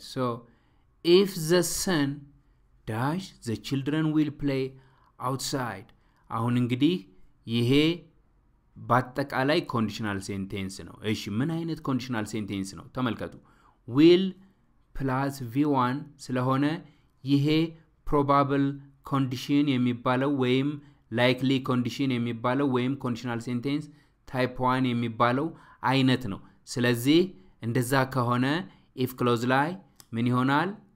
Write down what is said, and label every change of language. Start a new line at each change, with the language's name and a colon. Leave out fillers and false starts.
English: So, if the sun dash, the children will play outside.
Amharic: አሁን እንግዲህ ይሄ በአጠቃላይ conditional sentence ነው. እሺ ምን አይነት conditional sentence ነው? ተመልከቱ.
English: Will plus V1
Amharic: ስለሆነ ይሄ probable condition የሚባለው ወይም likely condition የሚባለው ወይም conditional sentence type 1 የሚባለው አይነት ነው. ስለዚህ እንደዛ ከሆነ if clause ላይ ምን ይሆናል?